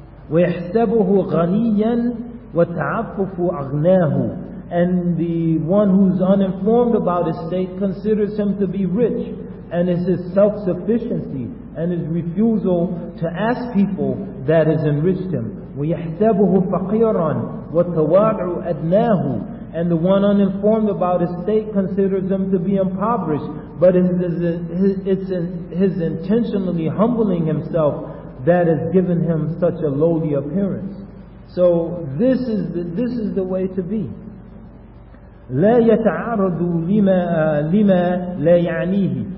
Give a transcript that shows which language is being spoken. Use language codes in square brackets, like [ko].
[ar] ويحسبه غنيا وتعفف أغناه. [en] And the one who's uninformed about his state considers him to be rich, and it's his self-sufficiency and his refusal to ask people that has enriched him. [ar] ويحسبه فقيرا وتواضع أدناه. [en] And the one uninformed about his state considers him to be impoverished, but it's his intentionally humbling himself that has given him such a lowly appearance. So this is the way to be. [ar] لا يتعرض لما لا يعنيه.